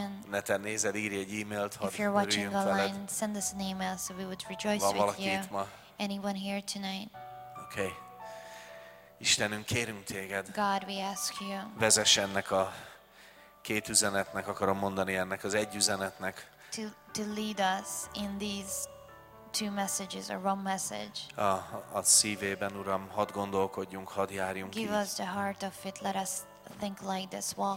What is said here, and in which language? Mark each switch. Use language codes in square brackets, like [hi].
[hu] Ne te nézel, írj egy e-mailt, hadd örüljünk online, veled. [en] An email, so we would rejoice [hu] van valaki [en] with you. [hu] Itt ma? [en] Anyone here tonight? [hu] Okay. Istenünk, kérünk téged, [en] God, we ask you, [hu] vezess ennek a két üzenetnek akarom mondani ennek az egy üzenetnek. [en] To lead us in these two messages or one message. [hu] A szívében, Uram, hadd gondolkodjunk, hadd járjunk [en] give [hu] így. [en] Us the heart of it, let us think like this, walk